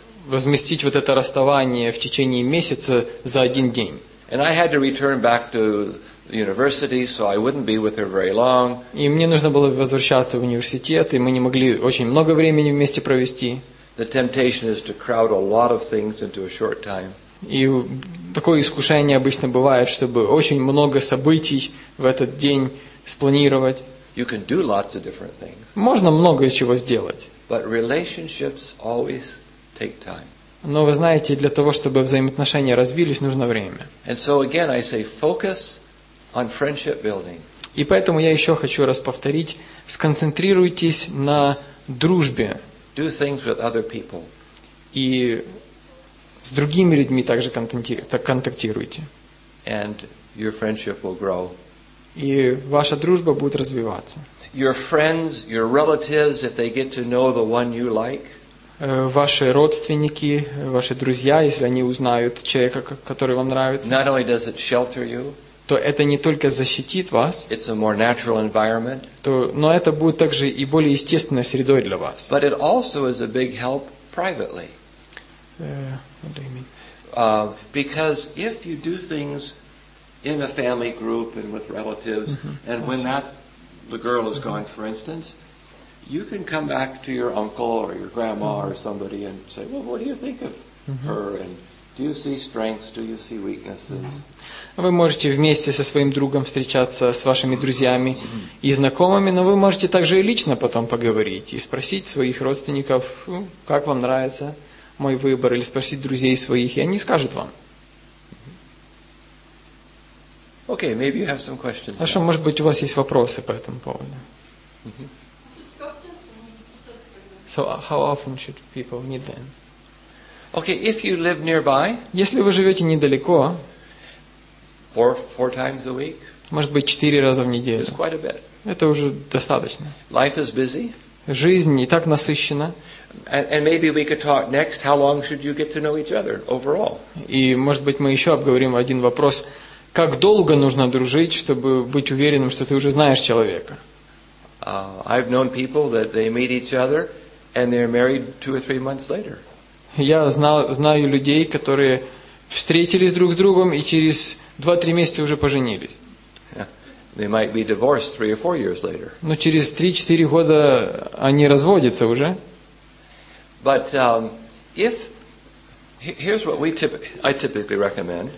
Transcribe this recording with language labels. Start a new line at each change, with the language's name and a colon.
Russian: возместить вот это расставание в течение месяца за один день.
English: And I had to return back to the university, so I wouldn't be with her very long.
Russian: И мне нужно было возвращаться в университет, и мы не могли очень много времени вместе провести.
English: The temptation is to crowd a lot of things into a short time.
Russian: И такое искушение обычно бывает, чтобы очень много событий в этот день спланировать.
English: You can do lots of different things.
Russian: Можно много чего сделать.
English: But relationships always take time.
Russian: Но вы знаете, для того, чтобы взаимоотношения развились, нужно время.
English: And so again, I say, focus on friendship building.
Russian: И поэтому я еще хочу раз повторить, сконцентрируйтесь на дружбе.
English: Do things with other people.
Russian: И с другими людьми также контактируйте.
English: And your friendship will grow.
Russian: И ваша дружба будет развиваться.
English: Your friends, your relatives, if they get to know the one you like,
Russian: ваши родственники, ваши друзья, если они узнают человека, который вам нравится,
English: not only does it shelter you,
Russian: то это не только защитит вас,
English: it's a more natural environment,
Russian: то, но это будет также и более естественной средой для вас.
English: But it also is a big help privately. What do you mean? Because if you do things in a family group and with relatives, and when that the girl is gone, for instance, you can come back to your uncle or your grandma or somebody and say, well, what do you think of her? And do you see strengths? Do you see weaknesses?
Russian: Вы можете вместе со своим другом встречаться с вашими друзьями и знакомыми, но вы можете также и лично потом поговорить и спросить своих родственников, как вам нравится мой выбор, или спросить друзей своих, и они скажут вам.
English: Okay, maybe you have some questions.
Russian: Хорошо, может быть, у вас есть вопросы по этому поводу.
English: So how often should people meet then? Okay, if you live nearby,
Russian: если вы живете недалеко,
English: four times a week,
Russian: может быть, четыре раза в неделю,
English: is quite a bit.
Russian: Это уже достаточно.
English: Life is busy.
Russian: Жизнь и так насыщена.
English: And maybe we could talk next. How long should you get to know each other overall?
Russian: И может быть, мы еще обговорим один вопрос: как долго нужно дружить, чтобы быть уверенным, что ты уже знаешь человека?
English: I've known people that they meet each other. And they're married two or three months later.
Russian: Я знаю людей, которые встретились друг с другом и через 2-3 месяца уже поженились.
English: They might be divorced 3 or 4 years later.
Russian: Но через 3-4 года они разводятся уже.
English: But here's what I typically recommend.